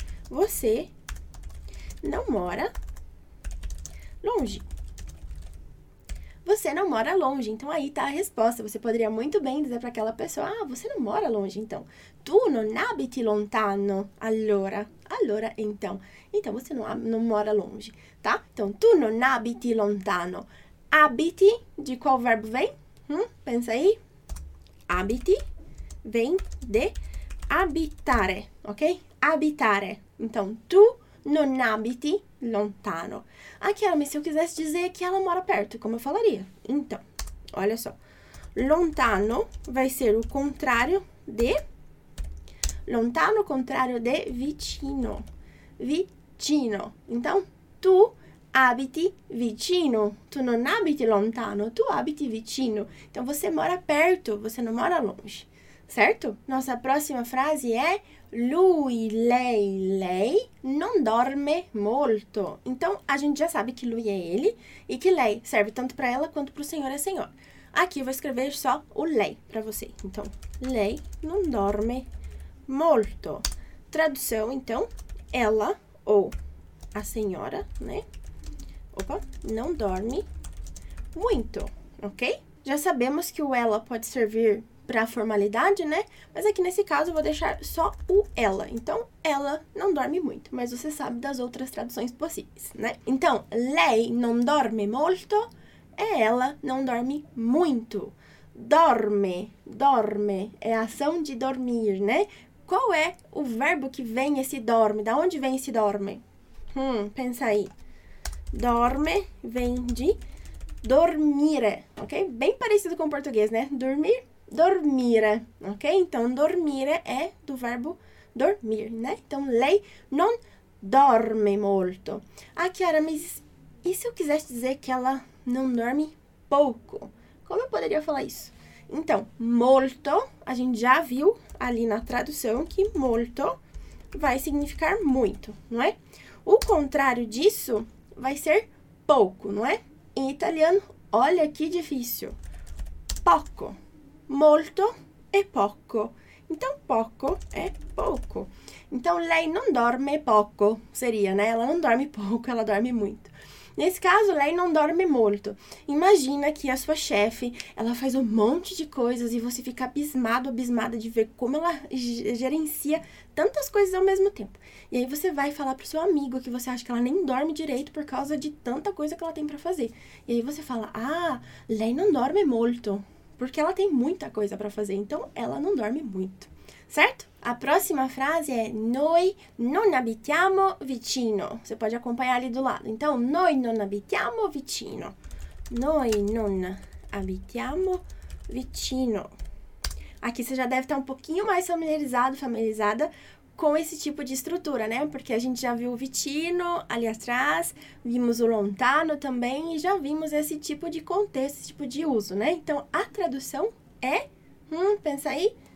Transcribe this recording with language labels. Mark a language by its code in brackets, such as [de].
[pt] Você não mora longe. Você não mora longe. Então, aí está a resposta. Você poderia muito bem dizer para aquela pessoa. Ah, você não mora longe, então. [it] Tu non abiti lontano. Allora. Allora, então. [pt] Então, você não mora longe, tá? Então, [it] tu non abiti lontano. [pt] Abiti, de qual verbo vem? Pensa aí. Abiti vem de abitare, ok? Abitare. Então, [it] tu non abiti lontano. [pt] Aqui, mas se eu quisesse dizer que ela mora perto, como eu falaria? Então, olha só. Lontano vai ser o contrário de... Lontano, contrário de vicino. [it] Vicino. Então, tu abiti vicino. Tu non abiti lontano. Tu abiti vicino. [pt] Então, você mora perto. Você não mora longe. Certo? Nossa próxima frase é... [it] Lui, lei, non dorme molto. [pt] Então, a gente já sabe que lui é ele. E que lei serve tanto para ela quanto para o senhor e a senhora. Aqui, eu vou escrever só o lei para você. [it] Então, lei non dorme molto. [pt] Tradução, então, ela ou a senhora, né? Opa, não dorme muito, ok? Já sabemos que o ela pode servir para a formalidade, né? Mas aqui nesse caso eu vou deixar só o ela. Então, ela não dorme muito, mas você sabe das outras traduções possíveis, né? Então, [it] lei non dorme molto [pt] e ela não dorme muito. Dorme, dorme, é a ação de dormir, né? Qual é o verbo que vem esse dorme? Da onde vem esse dorme? Pensa aí. Dorme vem de dormire, ok? Bem parecido com o português, né? Dormir, dormire, ok? Então, dormire é do verbo dormir, né? [it] Então, lei non dorme molto. [pt] Ah, Chiara, mas e se eu quisesse dizer que ela não dorme pouco? Como eu poderia falar isso? Então, molto, a gente já viu ali na tradução que molto vai significar muito, não é? O contrário disso vai ser pouco, não é? Em italiano, olha que difícil. Poco, molto e poco. Então, poco é pouco. Então, [it] lei non dorme poco, [pt] seria, né? Ela não dorme pouco, ela dorme muito. Nesse caso, [it] lei non dorme molto. [pt] Imagina que a sua chefe, ela faz um monte de coisas e você fica abismado, abismada de ver como ela gerencia tantas coisas ao mesmo tempo. E aí você vai falar pro seu amigo que você acha que ela nem dorme direito por causa de tanta coisa que ela tem para fazer. E aí você fala: "Ah, [it] lei non dorme molto, [pt] porque ela tem muita coisa para fazer, então ela não dorme muito." Certo? A próxima frase é [it] noi non abitiamo vicino. [pt] Você pode acompanhar ali do lado. [it] Então, noi non abitiamo vicino. Noi non abitiamo vicino. [pt] Aqui você já deve estar um pouquinho mais familiarizado, familiarizada com esse tipo de estrutura, né? Porque a gente já viu o vicino ali atrás, vimos o lontano também e já vimos esse tipo de contexto, esse tipo de uso, né? Então, a tradução é, pensa aí.